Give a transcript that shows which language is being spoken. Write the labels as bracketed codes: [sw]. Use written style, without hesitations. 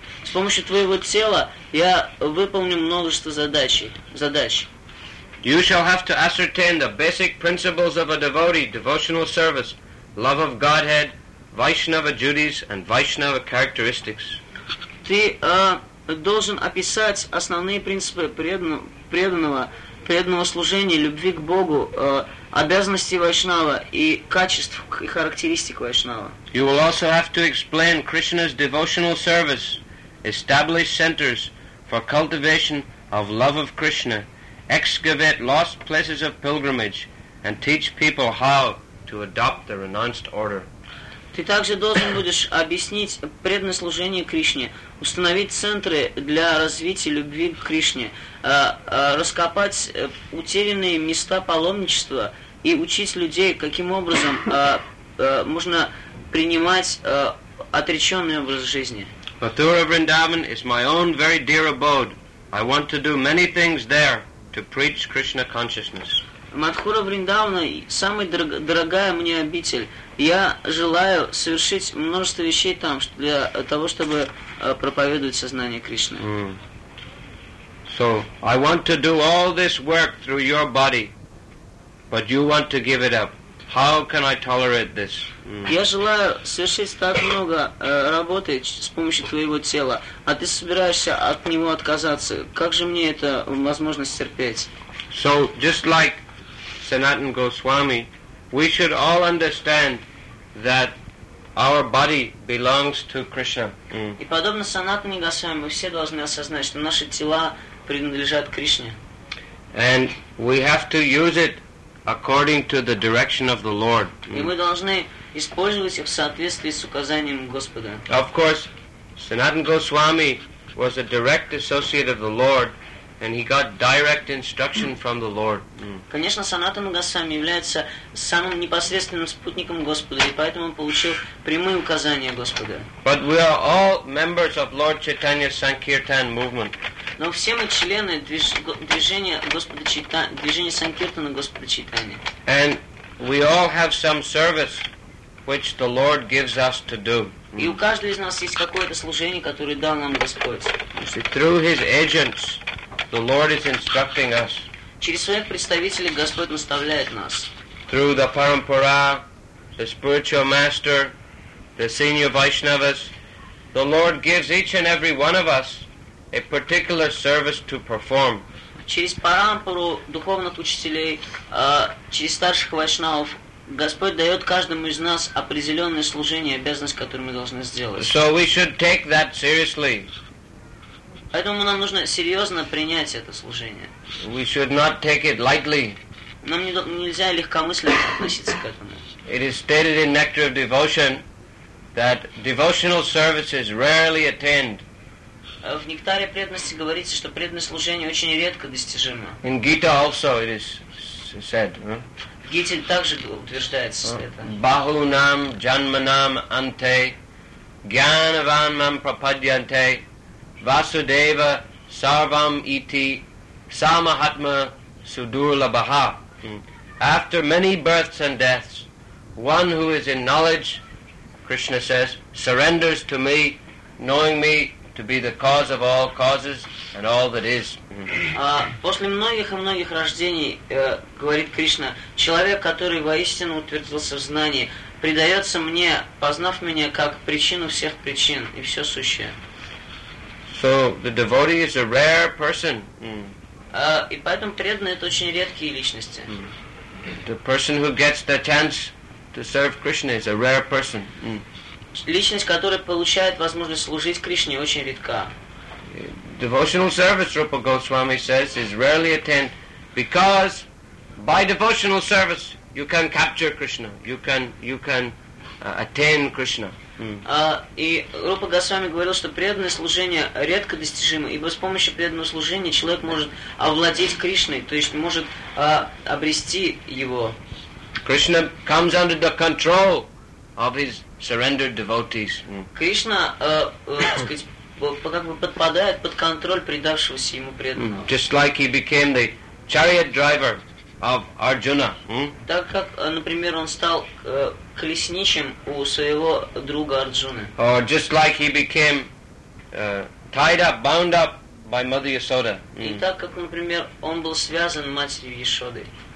[ru] С помощью твоего тела я выполню множество задач. [en] You shall have to ascertain the basic principles of a devotee, devotional service, love of Godhead, Vaishnava duties and Vaishnava characteristics. [ru] Ты должен описать основные принципы преданного служения, любви к Богу, обязанности Вайшнава и качеств и характеристик Вайшнава. [en] You will also have to explain Krishna's devotional service, establish centers for cultivation of love of Krishna, excavate lost places of pilgrimage, and teach people how to adopt the renounced order. [ru] Ты также должен будешь объяснить преданное служение Кришне, установить центры для развития любви к Кришне, раскопать утерянные места паломничества и учить людей, каким образом можно принимать отреченный образ жизни. [en] Mathura Vrindavan is my own very dear abode. I want to do many things there to preach Krishna consciousness. [ru] Мадхура Вриндавана – самая дорогая мне обитель. Я желаю совершить множество вещей там для того, чтобы проповедовать сознание Кришны. [en] So, I want to do all this work through your body, but you want to give it up. How can I tolerate this? [ru] Я желаю совершить так много работы с помощью твоего тела, а ты собираешься от него отказаться. Как же мне это возможно терпеть? [en] So just like Sanatan Goswami, we should all understand that our body belongs to Krishna. [ru] И подобно Санатане Госвами, мы все должны осознать, что наши тела принадлежат Кришне. [en] And we have to use it according to the direction of the Lord. [ru] И мы должны использовать их в соответствии с указанием Господа. [en] Of course, Sanatan Goswami was a direct associate of the Lord, and he got direct instruction from the Lord. [ru] Конечно, Санатана Госвами является самым непосредственным спутником Господа, и поэтому он получил прямые указания Господа. [en] But we are all members of Lord Chaitanya Sankirtan movement. [ru] Но все мы члены движения Господа Чайтаньи, движения Санкиртана Господа Чайтаньи. [en] And we all have some service which the Lord gives us to do. [ru] И у каждого из нас есть какое-то служение, которое дал нам Господь. [en] Through his agents, the Lord is instructing us. [ru] Через своих представителей Господь наставляет нас. [en] Through the Parampara, the spiritual master, the senior Vaishnavas, the Lord gives each and every one of us a particular service to perform. [ru] Через Парампару, духовных учителей, через старших вайшнавов, Господь дает каждому из нас определенное служение, обязанность, которую мы должны сделать. [en] So we should take that seriously. [ru] Поэтому нам нужно серьезно принять это служение. [en] We should not take it lightly. [ru] Нам нельзя легкомысленно относиться к этому. [en] It is stated in Nectar of Devotion that devotional service is rarely attained. [ru] В Нектаре преданности говорится, что преданное служение очень редко достижимо. [en] In Gita also it is said. [ru] В Гите также утверждается это. [sa] Bahunam janmanam ante jnanavanam prapadyante Vasudeva Sarvam Iti Samahatma Sudurlabaha. [en] After many births and deaths, one who is in knowledge, Krishna says, surrenders to me, knowing me to be the cause of all causes and all that is. [ru] После многих и многих рождений, говорит Кришна, человек, который воистину утвердился в знании, предается мне, познав меня как причину всех причин и все сущее. [en] So the devotee is a rare person. [ru] И поэтому преданные — это очень редкие личности. [en] The person who gets the chance to serve Krishna is a rare person. [ru] Личность, которая получает возможность служить Кришне, очень редка. [en] Devotional service, Rupa Goswami says, is rarely attained because by devotional service you can capture Krishna. You can attain Krishna. [ru] И Рупа Госвами говорил, что преданное служение редко достижимо, ибо с помощью преданного служения человек может овладеть Кришной, то есть может обрести его. [en] Krishna comes under the control of his surrendered devotees. [ru] Кришна, как бы подпадает под контроль предавшегося ему преданного. [en] Just like he became the chariot driver of Arjuna. [ru] Так как, например, он стал колесничим у своего друга Арджуны. [en] Or just like he became tied up, bound up by Mother Yashoda. [ru] И так как, например, он был связан матерью Яшодой.